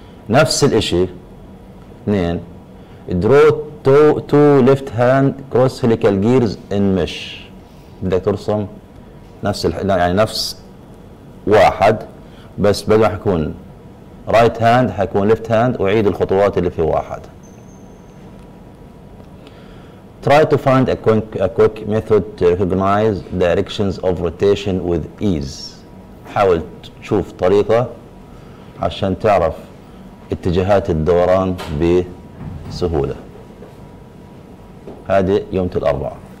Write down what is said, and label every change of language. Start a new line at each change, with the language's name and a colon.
Arabic: نفس الاشي اثنين،
English: draw two left hand cross helical gears in mesh,
Arabic: بدك ترسم نفس يعني نفس واحد، بس بدل ما حيكون رايت هاند حيكون ليفت هاند، وعيد الخطوات اللي في واحد.
English: Try to find a quick method to recognize directions of rotation with ease.
Arabic: حاول تشوف طريقة عشان تعرف اتجاهات الدوران بسهولة. هذه يوم الأربعاء.